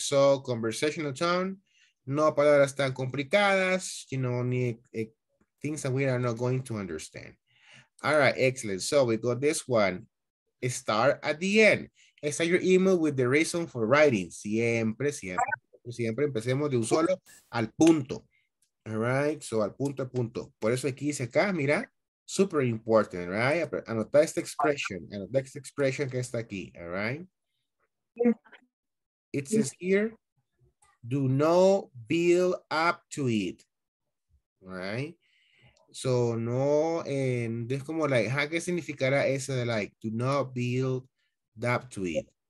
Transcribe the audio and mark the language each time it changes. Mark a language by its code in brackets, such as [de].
[en] So conversational tone, [es] no palabras tan complicadas, [en] you know, ni things that we are not going to understand. All right, excellent. So we got this one. Start at the end. Start your email with the reason for writing. [es] Siempre, siempre, siempre empecemos de un solo al punto. All right, so al punto, al punto. Por eso aquí dice acá, mira, [en] super important, [es] right? Anota esta expresión, anota esta expresión que está aquí, all right? [en] It says here, do not build up to it, right? [es] So no, and es como like, ¿ja? ¿Qué significará eso de like, [en] do not build up to it?